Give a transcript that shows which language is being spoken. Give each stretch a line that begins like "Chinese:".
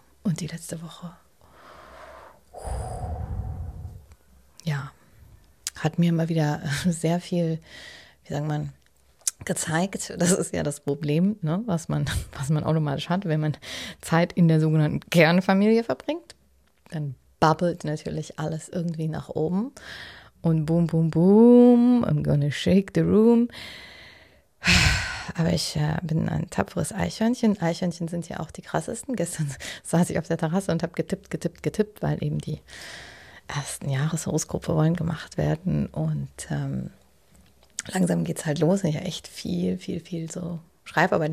German: Und die letzte Woche, ja, hat mir immer wieder sehr viel, wie sagt man, gezeigt. Das ist ja das Problem, ne? was man automatisch hat, wenn man Zeit in der sogenannten Kernfamilie verbringt. Dann bubbelt natürlich alles irgendwie nach oben.
English: Und boom, boom, boom, I'm gonna shake the room.
German: Aber ich bin ein tapferes Eichhörnchen. Eichhörnchen sind ja auch die krassesten. Gestern saß ich auf der Terrasse und habe getippt, getippt, getippt, weil eben die ersten Jahreshoroskope wollen gemacht werden. Und langsam geht es halt los. Ich habe echt viel, viel, viel so Schreibarbeit.